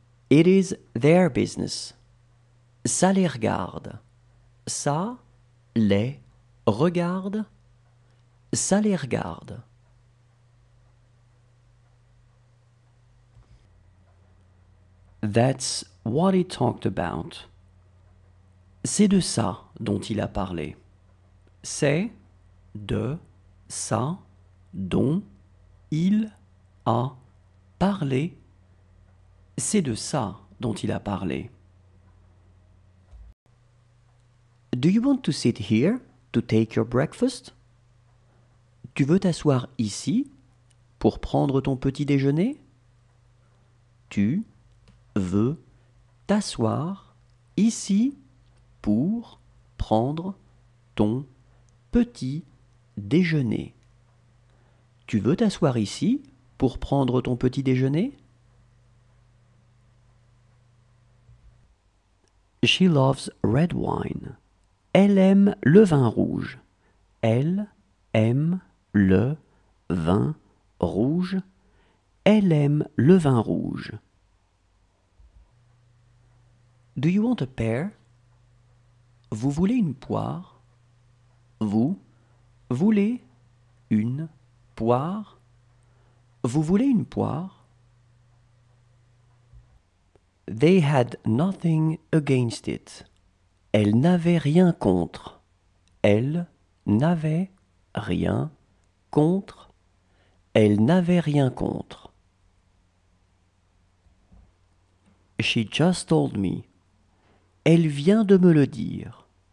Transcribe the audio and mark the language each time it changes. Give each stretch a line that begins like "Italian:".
English: It is their business.
French: Ça les regarde. Ça les regarde. Ça les regarde.
English: That's what he talked about.
French: C'est de ça dont il a parlé. C'est de ça dont il a parlé. C'est de ça dont il a parlé.
English: Do you want to sit here to take your breakfast?
French: Tu veux t'asseoir ici pour prendre ton petit déjeuner? Tu veux t'asseoir ici pour prendre ton petit déjeuner? Tu veux t'asseoir ici pour prendre ton petit déjeuner?
English: She loves red wine.
French: Elle aime le vin rouge. Elle aime le vin rouge. Elle aime le vin rouge.
English: Do you want a pear?
French: Vous voulez une poire? Vous voulez une poire? Vous voulez une poire?
English: They had nothing against it.
French: Elle n'avait rien contre. Elle n'avait rien contre. Elle n'avait rien contre.
English: She just told me.
French: Elle vient de me le dire.